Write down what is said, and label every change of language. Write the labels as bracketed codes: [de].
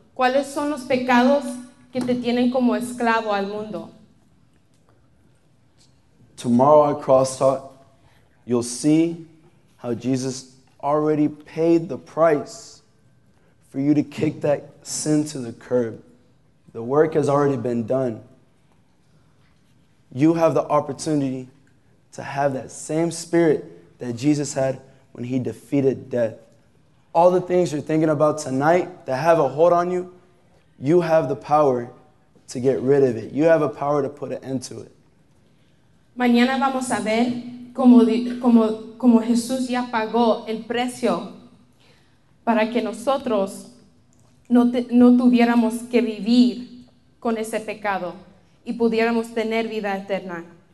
[es] ¿Cuáles son los pecados que te tienen como esclavo al mundo? [en] Tomorrow at Crosstalk, you'll see how Jesus already paid the price for you to kick that sin to the curb. The work has already been done. You have the opportunity to have that same spirit that Jesus had when he defeated death. All the things you're thinking about tonight that have a hold on you, you have the power to get rid of it. You have a power to put an end to it. [es] Mañana vamos a ver cómo Jesús ya pagó el precio para que nosotros no tuviéramos que vivir con ese pecado y pudiéramos tener vida eterna.